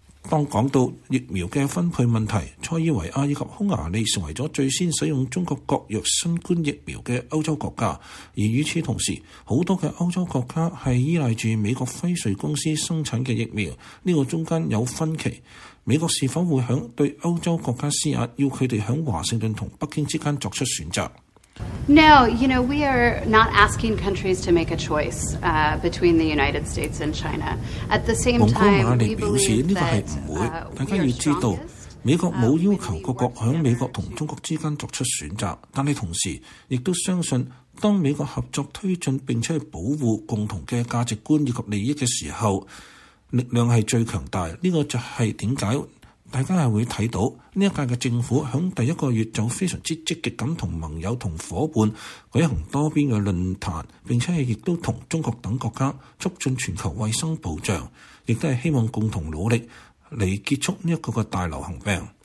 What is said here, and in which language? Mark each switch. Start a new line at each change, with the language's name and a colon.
Chinese: 当讲到疫苗的分配问题，塞尔维亚以及匈牙利成为了最先使用中国国药新冠疫苗的欧洲国家，而与此同时，很多的欧洲国家是依赖着美国辉瑞公司生产的疫苗，这个中间有分歧。美国是否会在对欧洲国家施压，要他们在华盛顿和北京之间作出选择？
English: No, you know, we are not asking countries to make a choice between the United States and China. At the same time, we believe that we are strongest.
Chinese: 美国没有要求各国在美国和中国之间作出选择，但是同时亦都相信当美国合作推进并且保护共同的价值观以及利益的时候，力量是最强大。这个就是为什么大家会看到这一届的政府在第一个月就非常积极地和盟友和伙伴举行多边的论坛，并且亦都和中国等国家促进全球卫生保障，亦都是希望共同努力来结束这个大流行病。